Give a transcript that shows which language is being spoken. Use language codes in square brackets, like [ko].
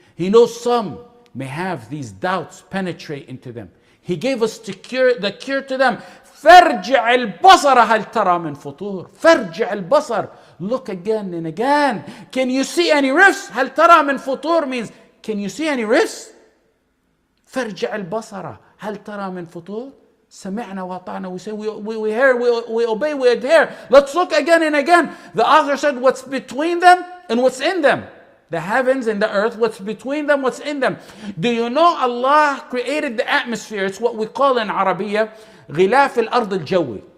[en] He knows some may have these doubts penetrate into them. He gave us the cure to them. [ar] فَرْجِعِ الْبَصَرَ هَلْ تَرَى مِنْ فُطُورٍ. فَرْجِعِ الْبَصَرَ. [en] Look again and again. Can you see any rifts? [ar] هَلْ تَرَى مِنْ فُطُورٍ [en] means, can you see any rifts? [ar] فرجع البصرة هل ترى من فطور سمعنا وطعنا. [en] We say we hear, we obey, we adhere. Let's look again and again. The author said, what's between them and what's in them? The heavens and the earth. What's between them? What's in them? Do you know Allah created the atmosphere? It's what we call in Arabia [ar] غلاف الأرض الجوي.